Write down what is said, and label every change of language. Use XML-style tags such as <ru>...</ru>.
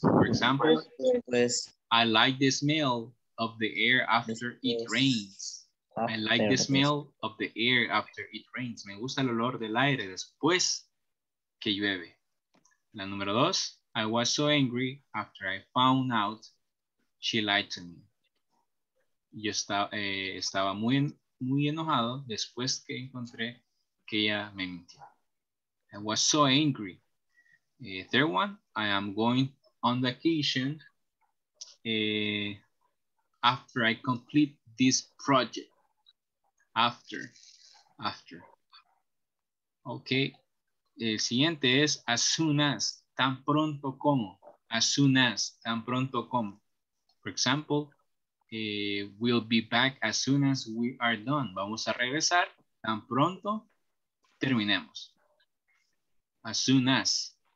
<en>For example, I like the smell of the air after it rains. I like the smell of the air after it rains.</en> <es>Me gusta el olor del aire después que llueve. La número dos.</es> <en>I was so angry after I found out she lied to me.</en> <es>Yo estaba muy, muy enojado después que encontré que ella me mintió.</es> <en>I was so angry. Third one. I am going on vacation after I complete this project. After.</en> <es>Okay. El siguiente es as soon as, tan pronto como.</es> <en>As soon as,</en> <es>tan pronto como.</es> <en>For example, we'll be back as soon as we are done.</en> <es>Vamos a regresar tan pronto terminemos. As soon as.</es>